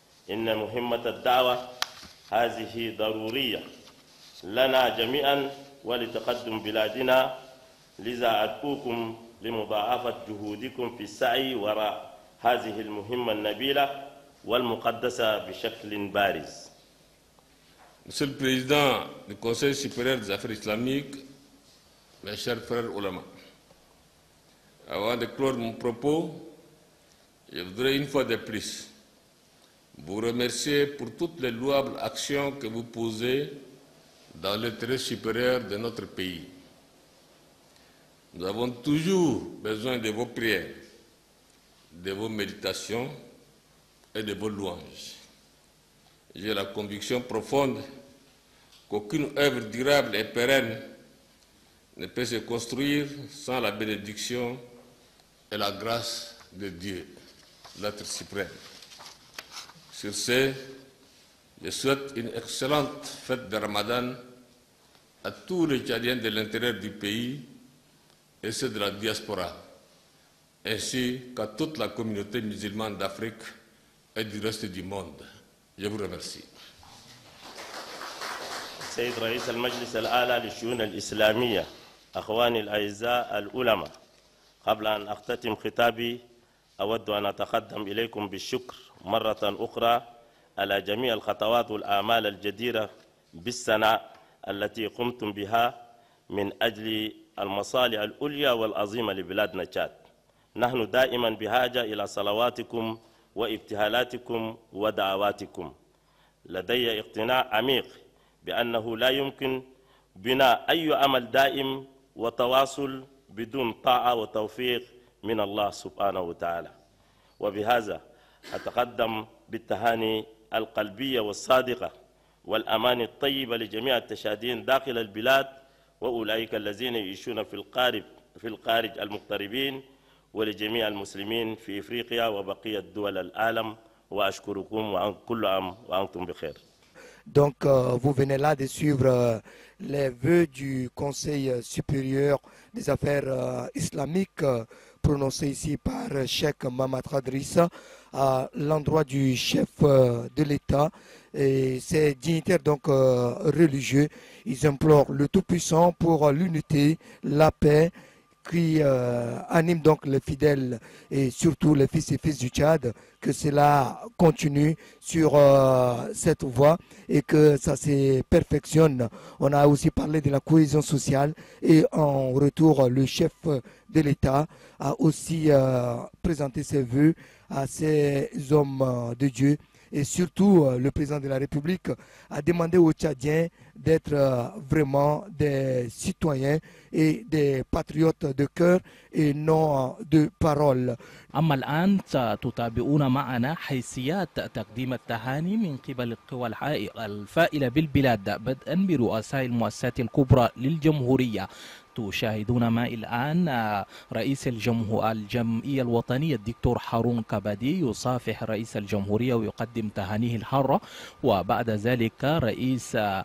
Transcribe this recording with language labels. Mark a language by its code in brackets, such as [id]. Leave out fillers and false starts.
[ar] إن مهمة الدعوة هذه ضرورية لنا جميعا ولتقدم بلادنا. لذا أدعوكم لمضاعفة جهودكم في السعي وراء هذه المهمة النبيلة والمقدسة بشكل بارز. [fr] Monsieur le Président du Conseil supérieur des affaires islamiques, mes chers frères ulama, avant de clore mon propos, je voudrais une fois de plus vous remercier pour toutes les louables actions que vous posez dans l'intérêt supérieur de notre pays. Nous avons toujours besoin de vos prières, de vos méditations et de vos louanges. J'ai la conviction profonde qu'aucune œuvre durable et pérenne ne peut se construire sans la bénédiction et la grâce de Dieu, l'être suprême. Sur ce, je souhaite une excellente fête de Ramadan à tous les Tchadiens de l'intérieur du pays et ceux de la diaspora, ainsi qu'à toute la communauté musulmane d'Afrique et du reste du monde. Je vous remercie. [ar] سيد رئيس المجلس الأعلى للشؤون الإسلامية، أخواني الأعزاء العلماء، قبل أن أختتم خطابي أود أن أتقدم إليكم بالشكر مرة أخرى على جميع الخطوات والأعمال الجديرة بالثناء التي قمتم بها من أجل المصالح العليا والعظيمة لبلادنا تشاد. نحن دائما بحاجة إلى صلواتكم وابتهالاتكم ودعواتكم. لدي اقتناع عميق بأنه لا يمكن بناء أي عمل دائم وتواصل بدون طاعة وتوفيق من الله سبحانه وتعالى. وبهذا أتقدم بالتهاني القلبية والصادقة والأمان الطيبة لجميع التشادين داخل البلاد وأولئك الذين يعيشون في القارب المقتربين ولجميع المسلمين في إفريقيا وبقية دول العالم. وأشكركم وكل عام وأنتم بخير. [fr] Donc, vous venez là de suivre les vœux du Conseil supérieur des affaires islamiques prononcés ici par Cheikh Mamad Khadris à l'endroit du chef de l'État et ses dignitaires donc religieux. Ils implorent le Tout-Puissant pour l'unité, la paix qui anime donc les fidèles et surtout les fils et filles du Tchad, que cela continue sur cette voie et que ça se perfectionne. On a aussi parlé de la cohésion sociale et en retour, le chef de l'État a aussi présenté ses voeux à ces hommes de Dieu et surtout le président de la République a demandé aux Tchadiens d'être vraiment des citoyens et des patriotes de cœur et non de parole. [ar] أما الآن ستتابعون معنا حيثيات تقديم التهاني من قبل القوى الفائلة بالبلاد بدءا برؤساء المؤسسات الكبرى للجمهورية. تشاهدون معي الآن رئيس الجمعية الوطنية الدكتور هارون كبادي يصافح رئيس الجمهورية ويقدم تهانيه الحارة، وبعد ذلك رئيس